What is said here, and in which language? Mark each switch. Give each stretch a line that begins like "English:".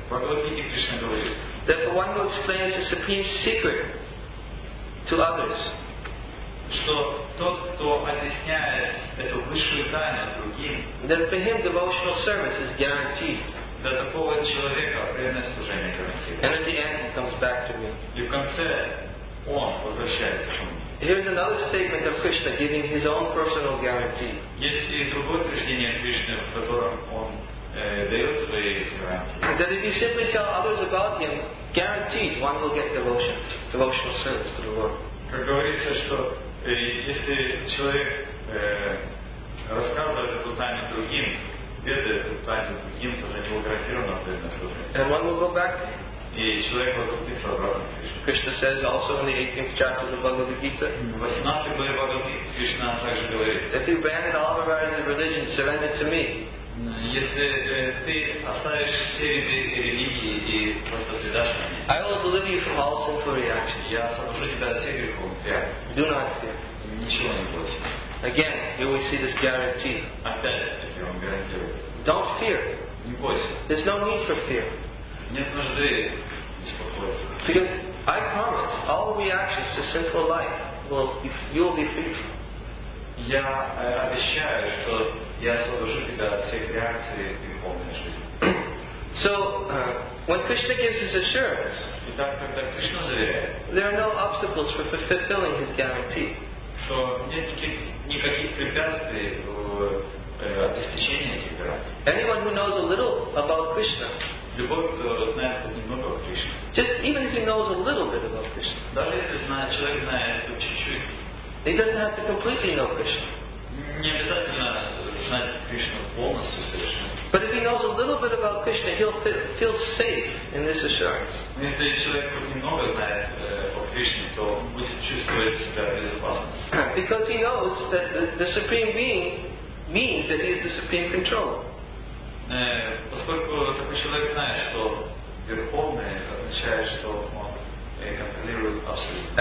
Russian: Bhagavad Gita Krishna говорит.
English: That for one who explains the supreme secret to others.
Russian: Что тот, кто объясняет эту высшую тайну другим,
English: then for him devotional service is guaranteed.
Russian: Для такого человека преданное служение гарантировано.
English: And at the end he comes back to me.
Russian: И в конце он возвращается ко мне.
English: Here's another statement of Krishna giving his own personal guarantee.
Russian: Есть и другое утверждение Кришны, в котором он дает свои гарантии.
English: That if you simply tell others about him, guaranteed one will get devotion, devotional service to the Lord.
Russian: Как говорится, что если человек рассказывает о Путане другим, ведает Путане другим, то за него гарантировано ответное служение.
English: And one will go back.
Russian: И человек возвратится обратно.
English: Krishna says also in the 18th chapter of the Bhagavad Gita.
Russian: 18th главе Бхагавад Гиты Кришна также говорит.
English: If you abandon all the varieties of religion, surrender to me.
Russian: Если ты оставишь все виды религии и просто предашь мне.
English: I will deliver you from all sinful reactions.
Russian: Я освобожу тебя от всех грехов.
English: Do not fear.
Russian: Ничего не бойся.
English: Again, you will see this guarantee.
Russian: Опять если он гарантирует.
English: Don't fear.
Russian: Не бойся.
English: There's no need for fear.
Russian: Нет нужды беспокоиться.
English: Because I promise all reactions to sinful life will you will be free from.
Russian: Я обещаю, что я освобожу тебя от всех реакций греховной жизни.
English: So, when Krishna gives his assurance,
Russian: итак, когда Кришна заверяет,
English: there are no obstacles for fulfilling his guarantee.
Russian: Что нет никаких препятствий в обеспечении этих гарантий.
English: Anyone who knows a little about Krishna,
Russian: любой, кто знает хоть немного о Кришне,
English: just even if he knows a little bit about Krishna,
Russian: даже если знает, человек знает хоть чуть-чуть,
English: he doesn't have to completely know Krishna.
Russian: Не обязательно знать Кришну полностью совершенно.
English: But if he knows a little bit about Krishna, he'll feel safe in this assurance.
Russian: Если человек немного знает о Кришне, то будет чувствовать себя в безопасности.
English: Because he knows that the supreme being means that he is the supreme controller.
Russian: Поскольку такой человек знает, что верховный означает, что он контролирует абсолютно.